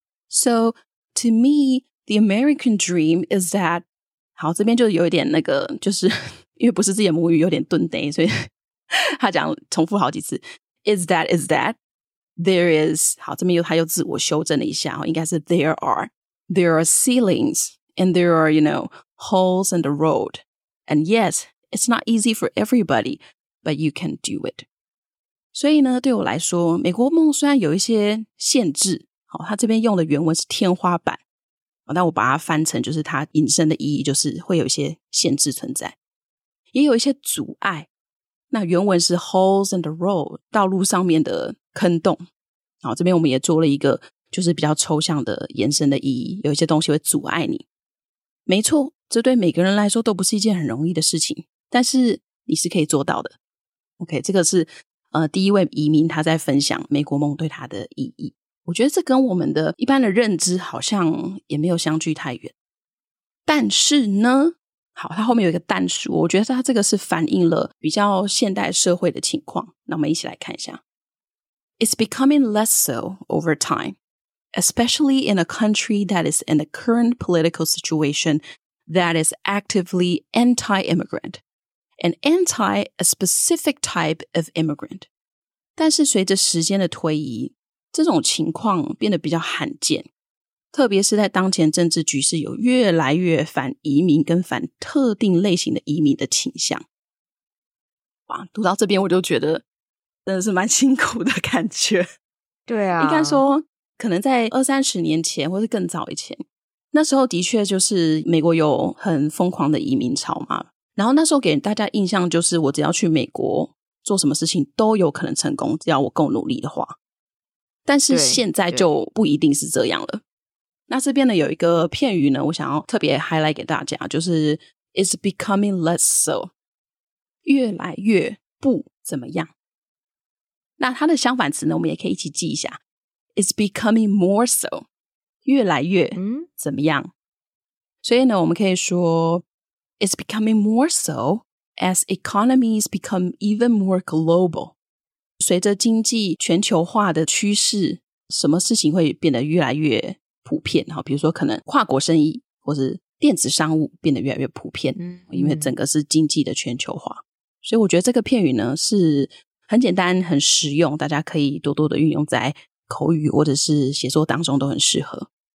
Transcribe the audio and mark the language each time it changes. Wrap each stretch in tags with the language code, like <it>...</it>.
<en>So, to me, the American dream is that,</en> <zh>好，这边就有一点那个，就是因为不是自己的母语，有点顿呆，所以他讲重复好几次。</zh> <en>Is that, There is,</en> <zh>好，这边又他又自我修正了一下，应该是</zh> <en>there are ceilings, and there are, you know, holes in the road. And yes, it's not easy for everybody, but you can do it.</en> <zh>所以呢，对我来说，美国梦虽然有一些限制，好，他这边用的原文是天花板，但我把它翻成就是它引申的意义，就是会有一些限制存在，也有一些阻碍。那原文是</zh> <en>holes in the road,</en> <zh>道路上面的坑洞。好，这边我们也做了一个就是比较抽象的延伸的意义，有一些东西会阻碍你。没错，这对每个人来说都不是一件很容易的事情，但是你是可以做到的。 OK, 这个是第一位移民他在分享美国梦对他的意义。我觉得这跟我们的一般的认知好像也没有相距太远。但是呢，好，他后面有一个但是，我觉得他这个是反映了比较现代社会的情况。那我们一起来看一下。</zh> <en>It's becoming less so over time, especially in a country that is in the current political situation that is actively anti-immigrant, and anti a specific type of immigrant.</en> <zh>但是随着时间的推移，这种情况变得比较罕见，特别是在当前政治局势有越来越反移民跟反特定类型的移民的倾向。哇，读到这边我就觉得真的是蛮辛苦的感觉。对啊，应该说可能在二三十年前或是更早以前，那时候的确就是美国有很疯狂的移民潮嘛，然后那时候给大家印象就是我只要去美国做什么事情都有可能成功，只要我够努力的话。但是现在就不一定是这样了。那这边呢有一个片语呢，我想要特别 highlight 给大家，就是</zh> <en>It's becoming less so,</en> <zh>越来越不怎么样。那它的相反词呢，我们也可以一起记一下。</zh> <en>It's becoming more so,</en> <zh>越来越怎么样。所以呢，我们可以说</zh> <en>It's becoming more so as economies become even more global.</en> <zh>随着经济全球化的趋势，什么事情会变得越来越普遍，比如说可能跨国生意或是电子商务变得越来越普遍，因为整个是经济的全球化。所以我觉得这个片语呢是很简单很实用，大家可以多多的运用在口语或者是写作当中都很适合。</zh>